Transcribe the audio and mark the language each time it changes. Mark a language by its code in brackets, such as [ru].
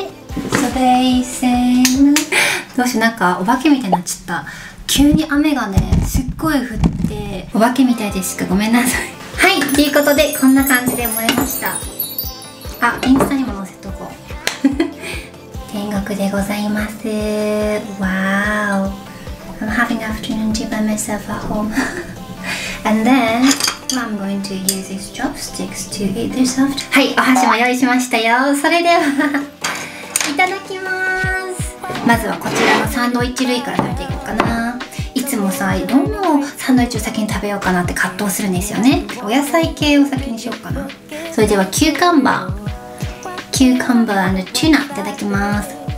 [ja] ソデイセーム。どうし、なんかお化けみたいになっちゃった。急に雨がね、すっごい降ってお化けみたいでしか、ごめんなさい。はい、ということで、こんな感じで盛れました。あ、インスタにも載せとこう。天国でございます。 [en] わー、 I'm having afternoon tea by myself at home. And then I'm going to use these chopsticks to eat this after. [ja] はい、お箸も用意しましたよ。それではいただきます。まずはこちらのサンドイッチ類から食べていこうかな。いつもさ、どのサンドイッチを先に食べようかなって葛藤するんですよね。お野菜系を先にしようかな。それではキューカンバー、キューカンバー&チューナいただきます。